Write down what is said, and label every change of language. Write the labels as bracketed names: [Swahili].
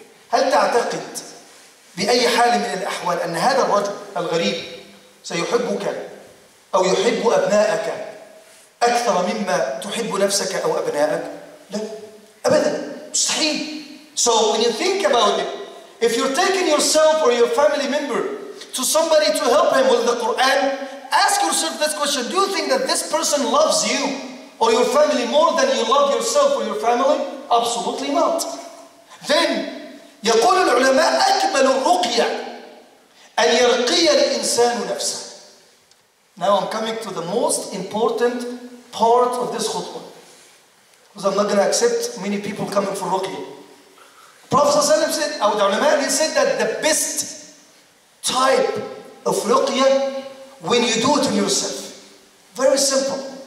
[Arabic] هل تعتقد بأي حال من الأحوال أن هذا الرجل الغريب سيحبك أو يحب أبنائك أكثر مما تحب نفسك أو أبنائك؟ لا. أبداً. مستحيل. [English] So when you think about it, if you're taking yourself or your family member to somebody to help him with the Quran, ask yourself this question. Do you think that this person loves you or your family more than you love yourself or your family? Absolutely not. [Arabic] Then, يقول العلماء أكمل الرقية أن يرقي الإنسان نفسه. [English] Now I'm coming to the most important part of this khutbah. Because I'm not going to accept many people coming for ruqya. Prophet ﷺ said, [Arabic] أو العلماء, [English] he said that the best type of ruqya when you do it in yourself. Very simple.